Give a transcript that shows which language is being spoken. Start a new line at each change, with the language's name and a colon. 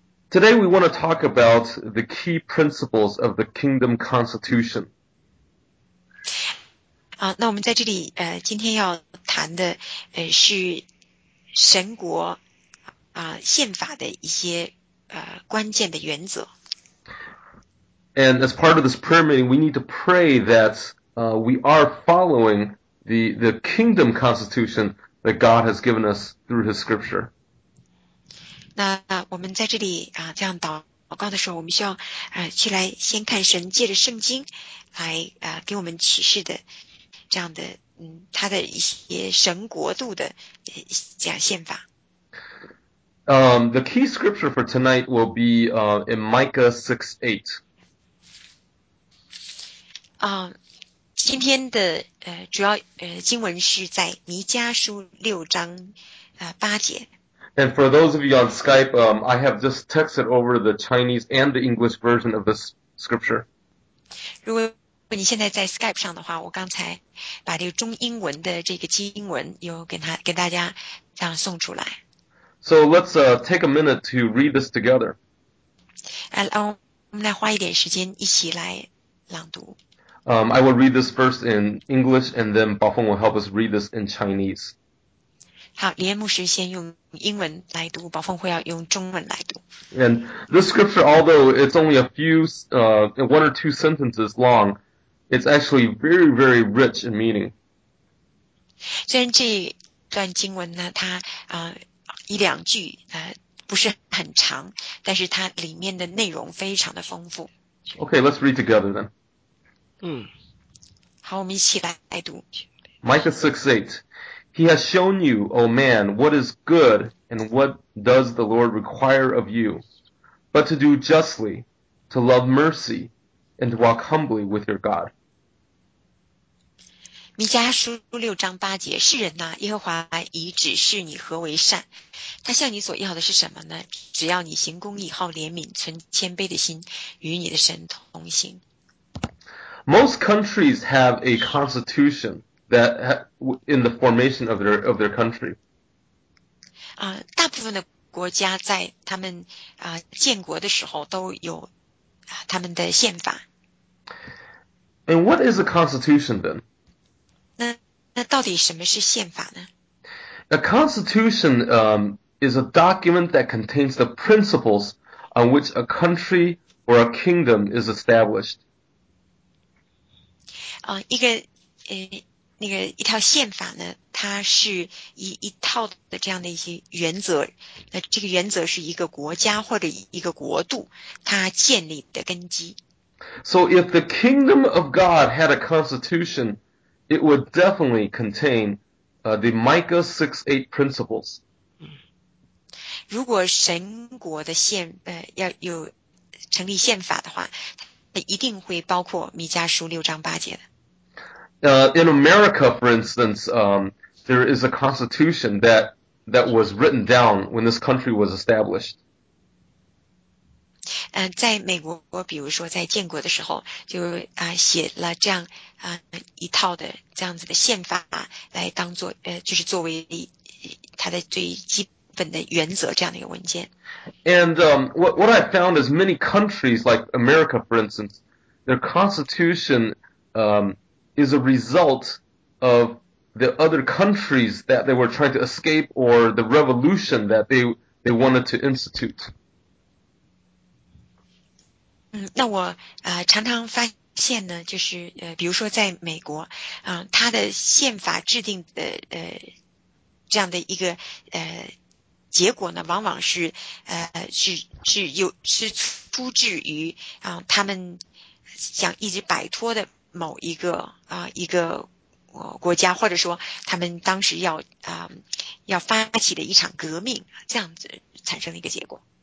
English: Today we want to talk about the key principles of the Kingdom Constitution.
Chinese: 那我们在这里今天要谈的是神国宪法的一些关键的原则。
English: And as part of this prayer meeting, we need to pray that we are following the Kingdom Constitution that God has given us through His Scripture.
Chinese: 那我们在这里这样祷告的时候，我们需要去来先看神借着圣经来给我们启示的这样的他的一些神国度的这样宪法。
English: The key scripture for tonight will be in Micah 6:8.
Chinese: 今天的主要经文是在弥迦书六章八节。
English: And for those of you on Skype, I have just texted over the Chinese and the English version of this scripture.
Chinese: 如果你现在在 Skype 上的话，我刚才把这个中英文的这个经文又给大家这样送出来。
English: So let's take a minute to read this together.
Chinese: 我们来花一点时间一起来朗读。
English: I will read this first in English, and then Baofeng will help us read this in Chinese.
Chinese: 好，李彦牧师先用英文来读，宝凤会要用中文来读。
English: And this scripture, although it's only a few, one or two sentences long, it's actually very, very rich in meaning.
Chinese: 虽然这段经文呢，它一两句不是很长，但是它里面的内容非常的丰富。
English: Okay, let's read together then.
Chinese: 好，我们一起来读。
English: Micah 6:8. He has shown you, O man, what is good and what does the Lord require of you, but to do justly, to love mercy, and to walk humbly with your God.
Chinese: 弥迦书六章八节，世人呐、耶和华已指示你何为善，他向你所要的是什么呢？只要你行公义，好怜悯，存谦卑的心，与你的神同行。
English: Most countries have a constitution. That in the formation of their country.
Chinese: 大部分的国家在他们建国的时候都有他们的宪法。
English: And what is a constitution then?
Chinese: 那到底什么是宪法呢？
English: A constitution is a document that contains the principles on which a country or a kingdom is established.
Chinese: 一个那个一套宪法呢，它是一套的这样的一些原则，那这个原则是一个国家或者一个国度它建立的根基。
English: So if the kingdom of God had a constitution, it would definitely contain the Micah 6:8 principles.
Chinese: 如果神国的要有成立宪法的话，它一定会包括弥迦书六章八节的。
English: In America, for instance, there is a constitution that was written down when this country was established.
Chinese: 在美国，比如说在建国的时候，就写了这样一套的这样子的宪法，来当做就是作为它的最基本的原则这样的一个文件。
English: And what I found is many countries like America, for instance, their constitution. Is a result of the other countries that they were trying to escape or the revolution that they wanted to institute.
Chinese: 那我常常发县呢，就是比如说在美国，它的宪法制定的这样的一个结果呢，往往是是出自于他们想一直摆脱的某一个一个国家，或者说他们当时要发起的一场革命，这样子产生的一个结果。